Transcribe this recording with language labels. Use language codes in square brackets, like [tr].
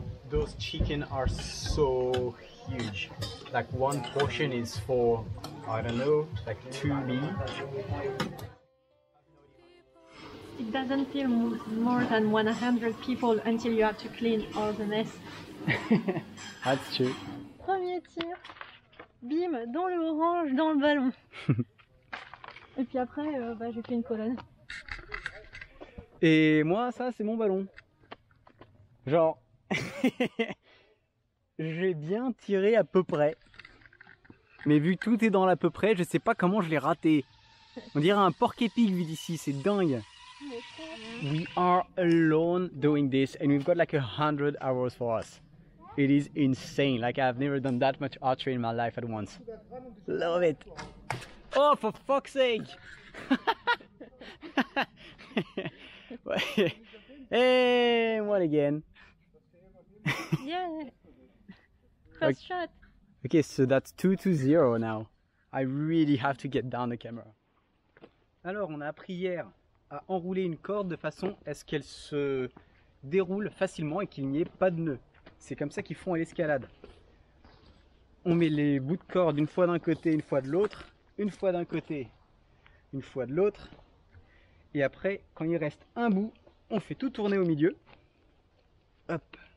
[en] Those chicken are so huge. Like one portion is for, I don't know, like 2 me. It doesn't feel more than 100 people until you have to clean all the mess. That's true. [fr] Premier tir, bim, dans le orange, dans le ballon. Et puis après, j'ai fait une colonne. Et moi, ça, c'est mon ballon. Genre, j'ai bien tiré à peu près. Mais vu que tout est dans l'à peu près, je sais pas comment je l'ai raté. On dirait un porc-épic vu d'ici, c'est dingue. [en] We are alone doing this and we've got like 100 hours for us. It is insane. Like, I've never done that much archery in my life at once. Love it. Oh, for fuck's sake! And one again. Yeah. First okay. Shot. Okay, so that's 2-0 now. I really have to get down the camera. [fr] Alors, on a appris hier à enrouler une corde de façon à ce qu'elle se déroule facilement et qu'il n'y ait pas de nœud. C'est comme ça qu'ils font à l'escalade. On met les bouts de corde une fois d'un côté, une fois de l'autre. Une fois d'un côté, une fois de l'autre. Et après, quand il reste un bout, on fait tout tourner au milieu. Hop.